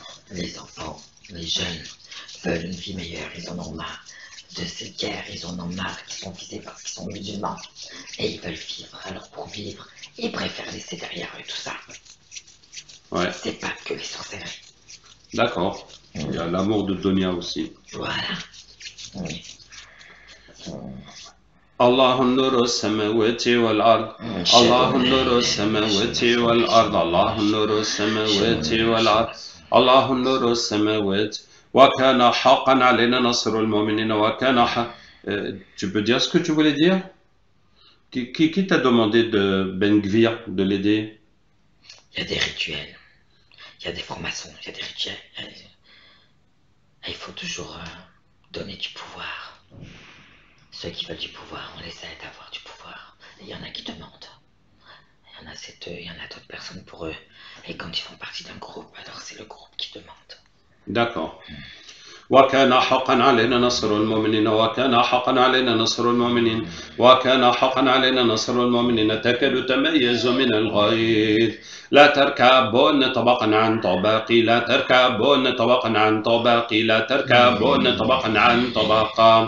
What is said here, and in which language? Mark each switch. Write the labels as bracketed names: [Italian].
[French] Les enfants, les jeunes veulent une vie meilleure, ils en ont marre de cette guerre, ils en ont marre qu'ils sont visés parce qu'ils sont musulmans et ils veulent vivre alors pour vivre, ils préfèrent laisser derrière eux tout ça. Ouais. C'est pas que les sorcelleries. D'accord. Mmh. Il y a l'amour de Dunia aussi. Voilà. Oui. [Arabic] الله نور السماوات والأرض الله نور السماوات والأرض الله نور السماوات والأرض الله نور السماوات وكان حقا علينا نصر المؤمنين وكان [French] tu peux dire ce que tu voulais dire? Qui t'a demandé de Ben Gvir de l'aider? Il y a des rituels, il y a des formations, il y a des rituels. Il faut toujours donner du pouvoir. Ceux qui veulent du pouvoir, on les aide à avoir du pouvoir. Il y en a qui demandent. Il y en a cette, il y en a d'autres personnes pour eux. Et quand ils font partie d'un groupe, alors c'est le groupe qui demande. D'accord. [Arabic] وكان حقا علينا نصر المؤمنين وكان حقا علينا نصر المؤمنين وكان حقا علينا نصر المؤمنين تكاد تميز من الغيظ لا تركبون طبقا عن طبق لا تركبون طبقا عن طبق لا تركبون طبقا عن طبق